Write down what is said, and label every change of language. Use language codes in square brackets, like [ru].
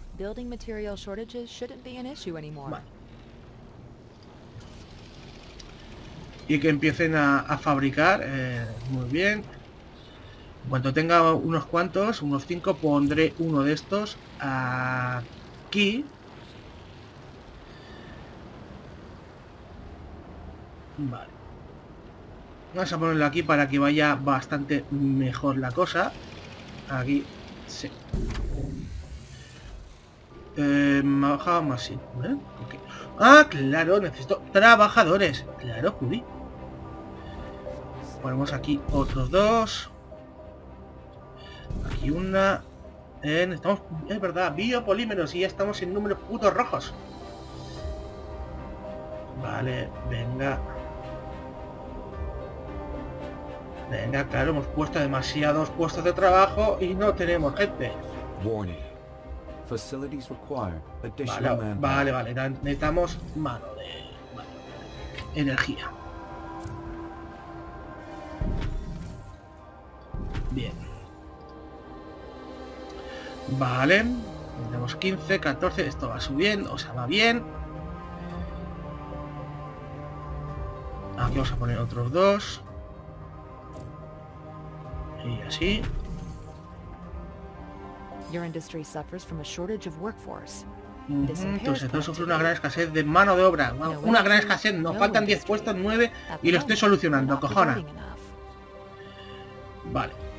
[en] Building material shortages shouldn't be an issue anymore. [es] Vale. Y que empiecen a fabricar, muy bien. En cuanto tenga unos cuantos, unos 5, pondré uno de estos aquí. Vale. Vamos a ponerlo aquí para que vaya bastante mejor la cosa. Aquí, sí. Me bajaba más, sí. ¿Eh? Ah, claro, necesito trabajadores. Claro, Judy. Ponemos aquí otros dos. Aquí una. Estamos, es verdad, biopolímeros y ya estamos en números putos rojos. Vale, venga. Venga, claro, hemos puesto demasiados puestos de trabajo y no tenemos gente. [en] Warning. Facilities require additional manpower. [es] Vale, vale, necesitamos mano de... energía. Bien. Vale. Tenemos 15, 14. Esto va subiendo, o sea, va bien. Aquí vamos a poner otros dos. Y así. [en] Your industry suffers from a shortage of workforce. [es] Entonces, esto sufre una gran escasez de mano de obra. Una gran escasez, nos faltan 10 puestos, 9, y lo estoy solucionando, cojona. Vale.